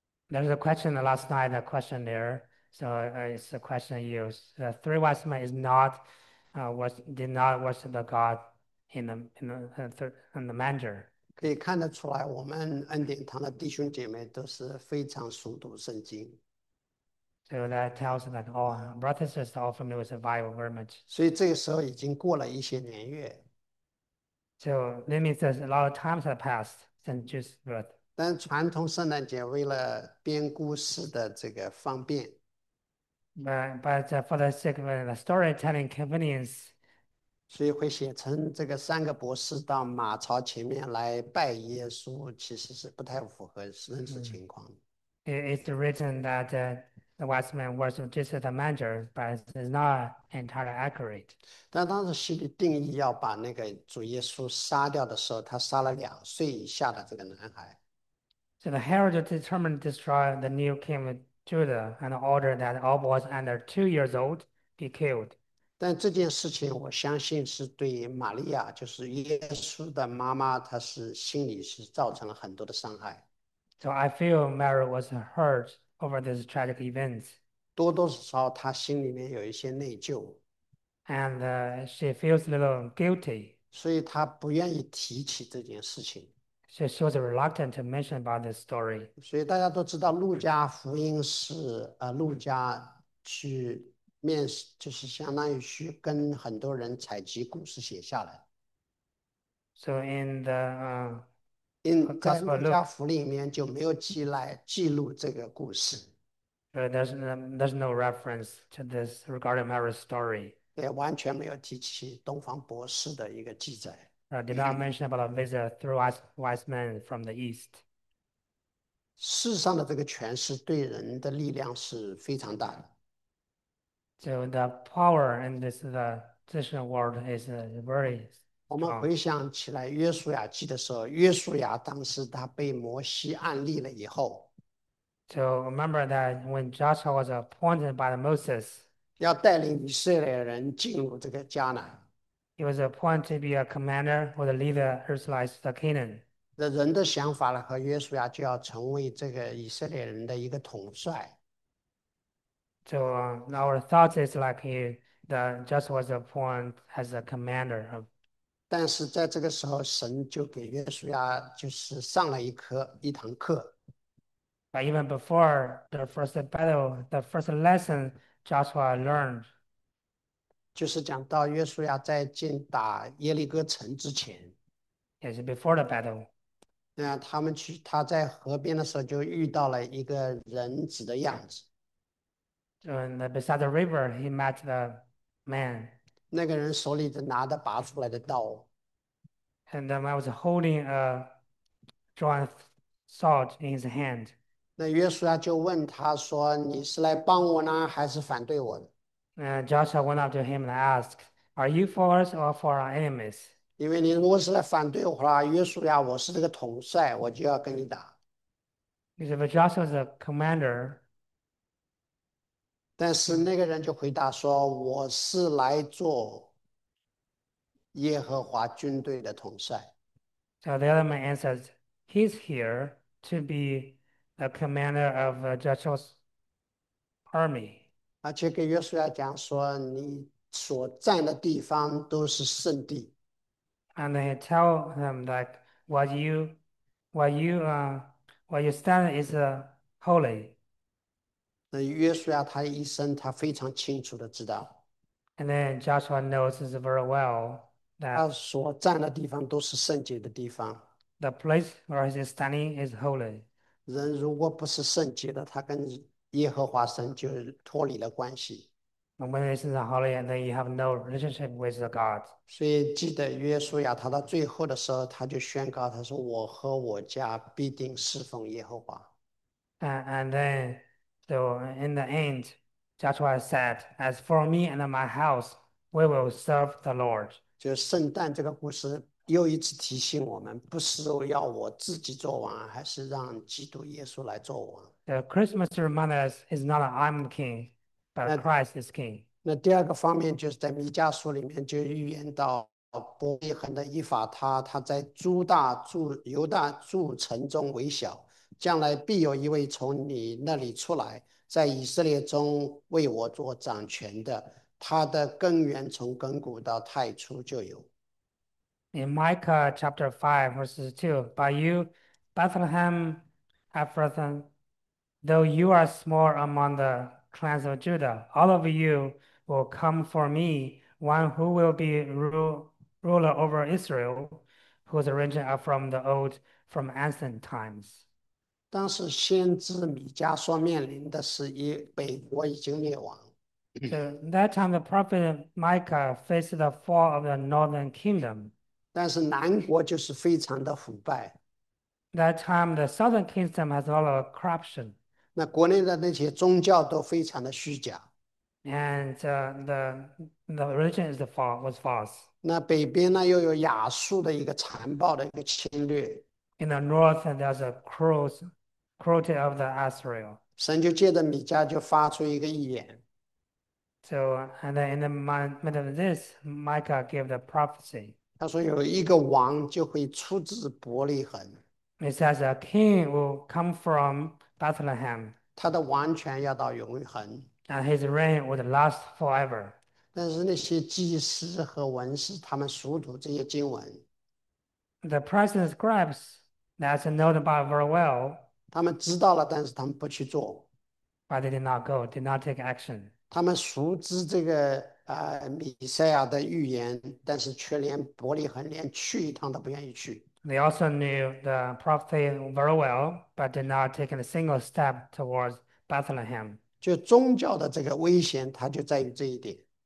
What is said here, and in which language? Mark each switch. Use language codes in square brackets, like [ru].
[en] There's a question last night, a question there. So it's a question you use. The three wise men is not was did not worship the God in the manger. [zh] 可以看得出来，我们恩典堂的弟兄姐妹都是非常熟读圣经， [en] So that tells that all brothers are all familiar with the Bible very much. [zh] 所以这个时候已经过了一些年月。 [en] So that means there's a lot of times have passed. Saint-Just birth. [zh] 但传统圣诞节为了编故事的这个方便， [en] But for the sake of the storytelling convenience, [zh] 所以会写成这个三个博士到马槽前面来拜耶稣，其实是不太符合真实情况。 [en] It's written that the wise man was just at the manger, but it's not entirely accurate. [zh] 但当时希律定义要把那个主耶稣杀掉的时候，他杀了2岁以下的这个男孩。 [en] So the herald determined to destroy the new king Judah and ordered that all boys under 2 years old be killed. [zh] 但这件事情，我相信是对玛利亚，就是耶稣的妈妈，她是心里是造成了很多的伤害。 [en] So I feel Mary was hurt over these tragic events. [zh] 多多少少，她心里面有一些内疚。 [en] And she feels a little guilty. [zh] 所以他不愿意提起这件事情。 [en] She was reluctant to mention about this story. [zh] 所以大家都知道，路加福音是路加去面试，就是相当于去跟很多人采集故事写下来。 [en] So in the [zh] 在 [en] Gospel [zh] 路加 [en] Luke, [zh] 福音里面就没有记录这个故事。 [en] there's no reference to this regarding Mary's story. [zh] 也完全没有提起东方博士的一个记载， [en] Did not mention about a visit through wise men from the east. [zh] 世上的这个权势对人的力量是非常大的。 [en] So the power in this world is very [zh] 我们 [en] strong. [zh] 回想起来，约书亚记的时候，约书亚当时他被摩西按立了以后。 [en] So remember that when Joshua was appointed by Moses, [zh] 要带领以色列人进入这个迦南。 [en] he was appointed to be a commander or the leader of Israelites to Canaan. [zh] 人的想法呢，和约书亚就要成为这个以色列人的一个统帅。 [en] So our thoughts is like he that just was appointed as a commander of. [zh] 但是在这个时候，神就给约书亚就是上了一堂课。 [en] But even before the first battle, the first lesson Joshua learned. [zh] 就是讲到约书亚在进打耶利哥城之前， [en] Yes, before the battle. [zh] 那他在河边的时候就遇到了一个人子的样子。 [en] And beside the river, he met the man. [zh] 那个人手里就拿着拔出来的刀。 [en] And the man was holding a drawn sword in his hand. [zh] 那约书亚就问他说：“你是来帮我呢，还是反对我的？” [en] And Joshua went up to him and asked, "Are you for us or for our enemies?" [zh] 因为你如果是来反对我啦，约书亚，我是这个统帅，我就要跟你打。 [en] Because if Joshua is a commander, [zh] 但是那个人就回答说：“我是来做耶和华军队的统帅。 [en] so the other man answers, "He's here to be the commander of Joshua's army." [zh] ”而且跟约书亚讲说：“你所站的地方都是圣地。” [en] And he tell him like what you stand is holy. [zh] 那约书亚他一生，他非常清楚的知道， [en] And then Joshua knows very well [zh] 他 [en] that [zh] 所站的地方都是圣洁的地方。 [en] the place where he is standing is holy. [zh] 人如果不是圣洁的，他跟耶和华神就脱离了关系。 [en] And when it is holy, and then you have no relationship with the God. [zh] 所以记得约书亚他到最后的时候，他就宣告，他说：“我和我家必定侍奉耶和华。” [en] And then, so in the end, Joshua said, "As for me and my house, we will serve the Lord." [zh] 就圣诞这个故事又一次提醒我们，不是要我自己做王，还是让基督耶稣来做王。 [en] The Christmas reminds us is not I'm king, but Christ is king. [zh] 那第二个方面就是在弥迦书里面就预言到伯利恒的以法他，他在犹大诸城中为小，将来必有一位从你那里出来，在以色列中为我做掌权的。它的根源从亘古到太初就有。 [en] In Micah chapter 5, verses 2, "But you, Bethlehem Ephrathah, though you are small among the clans of Judah, all of you will come for me, one who will be ruler over Israel, whose origin are from the old from ancient times. [zh] 当时先知米迦所面临的是一北国已经灭亡。 [en] So that time the prophet Micah faced the fall of the northern kingdom. [zh] 但是南国就是非常的腐败， [en] That time the southern kingdom has a lot of corruption. [zh] 那国内的那些宗教都非常的虚假， [en] And the religion is the fall was false. [zh] 那北边呢又有亚述的一个残暴的一个侵略， [en] In the north, there's a cruelty of the Israel. [zh] 神就借着米迦就发出一个预言。 [en] So, and then in the middle of this, Micah gave the prophecy. [zh] 他说：“有一个王就会出自伯利恒， [en] It says a king will come from Bethlehem, [zh] 他的王权要到永恒。 [en] and his reign would last forever. [zh] ”但是那些祭司和文士，他们熟读这些经文， [en] The present scribes, that's known about very well, [zh] 他们知道了，但是他们不去做。 [en] but they did not go, did not take action. [zh] 他们熟知这个。米赛亚的预言，但是却连伯利恒连去一趟都不愿意去。 [en] They also knew the prophet very well, but did not take a single step towards Bethlehem. [zh] 就宗教的这个危险，它就在于这一点。